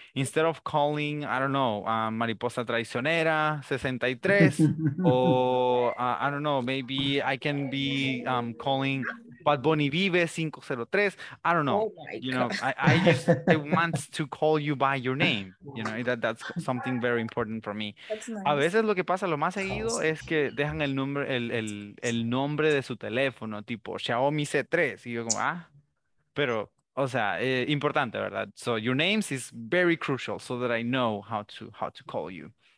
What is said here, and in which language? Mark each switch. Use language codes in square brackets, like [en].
[en] Instead of calling, I don't know, Mariposa Traicionera 63, or I don't know, maybe I can be calling Bad Bunny Vive 503. I don't know. I want to call you by your name. You know, that's something very important for me. Nice. [es] A veces lo que pasa lo más seguido es que dejan el nombre de su teléfono, tipo Xiaomi C3. Y yo como, ah, pero O sea, importante, ¿verdad? [en] So your names is very crucial so that I know how to call you.